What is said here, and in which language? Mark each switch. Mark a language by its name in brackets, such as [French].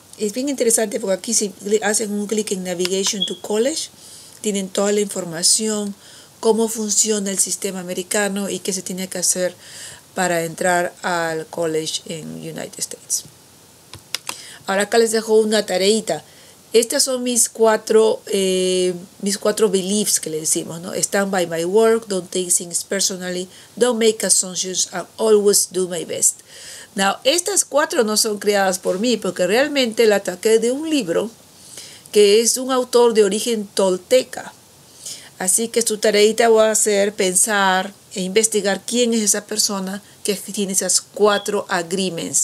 [Spanish] Es bien interesante porque aquí si hacen un clic en Navigation to College, tienen toda la información, cómo funciona el sistema americano y qué se tiene que hacer para entrar al college en United States. Ahora acá les dejo una tareita. Estas son mis cuatro beliefs que le decimos, ¿no? [English] Stand by my work, don't take things personally, don't make assumptions, and always do my best. [Spanish] Now, estas cuatro no son creadas por mí, porque realmente la saqué de un libro que es un autor de origen tolteca. Así que su tareita va a ser pensar e investigar quién es esa persona que tiene esas cuatro agreements.